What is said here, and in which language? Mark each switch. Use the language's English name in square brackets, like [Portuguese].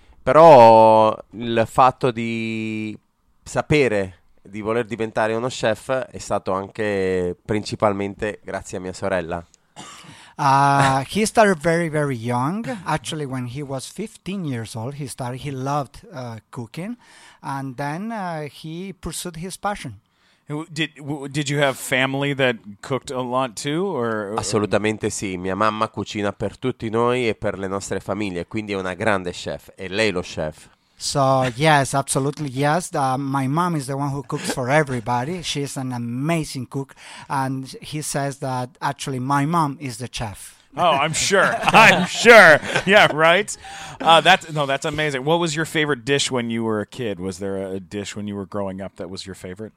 [Italian] Però il fatto di sapere di voler diventare uno chef è stato anche principalmente grazie a mia sorella. [English] He started very, very young. Actually, when he was 15 years old, he started. He loved cooking, and then he pursued his passion. Did you have family that cooked a lot too? Or [Italian] assolutamente sì. Mia mamma cucina per tutti noi e per le nostre famiglie. Quindi è una grande chef. E lei lo chef. [English] So yes, absolutely yes. My mom is the one who cooks for everybody. She's an amazing cook, and he says that actually my mom is the chef. Oh, I'm sure. I'm sure. Yeah, right. That's amazing. What was your favorite dish when you were a kid? Was there a dish when you were growing up that was your favorite?